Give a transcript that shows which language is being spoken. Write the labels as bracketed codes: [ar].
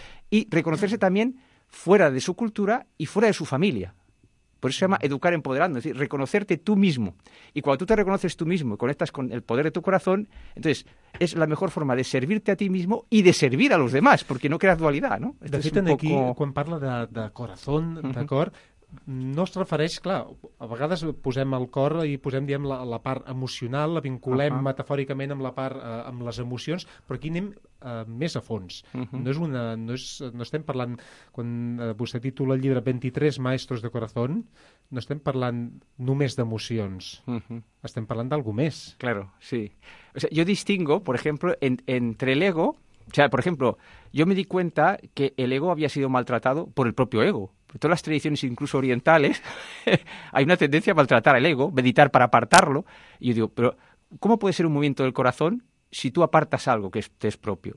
[es] Y reconocerse también fuera de su cultura y fuera de su familia. Por eso se llama educar empoderando, es decir, reconocerte tú mismo. Y cuando tú te reconoces tú mismo y conectas con el poder de tu corazón, entonces es la mejor forma de servirte a ti mismo y de servir a los demás, porque no creas dualidad, ¿no? [ca] De fet, aquí, quan parla de corazón, d'acord, no es refereix, clar, a vegades posem el cor i posem, diguem, la part emocional, la vinculem metafòricament amb la part, amb les emocions, però aquí anem més a fons. No estem parlant, quan vostè titula el llibre 23 Maestros de Corazón, no estem parlant només d'emocions, estem parlant d'algú més. [es] Claro, sí. O sea, yo distingo, por ejemplo, entre el ego, o sea, por ejemplo, yo me di cuenta que el ego había sido maltratado por el propio ego. Todas las tradiciones, incluso orientales, hay una tendencia a maltratar el ego, meditar para apartarlo. Y yo digo, pero ¿cómo puede ser un movimiento del corazón si tú apartas algo que te es propio?